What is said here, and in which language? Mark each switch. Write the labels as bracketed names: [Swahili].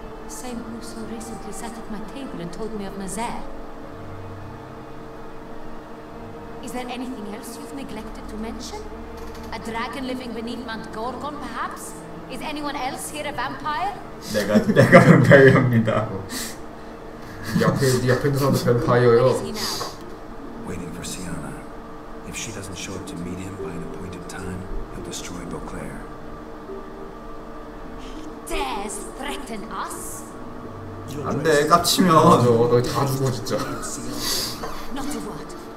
[English] Same who so recently sat at my table and told me of Mazer. Is there anything else you've neglected to mention? A dragon living beneath Mount Gorgon, perhaps? Is anyone else here a vampire? [Korean] 내가 vampire입니다. 옆에 있는 사람도 vampire예요. [English] Waiting for Siana. If she doesn't show up to meet him by an appointed time, he'll destroy Beauclair. He dares threaten us? [Korean] 안 돼, 깝치면. 맞아, 너 다 죽어, 진짜. [English] Not a word.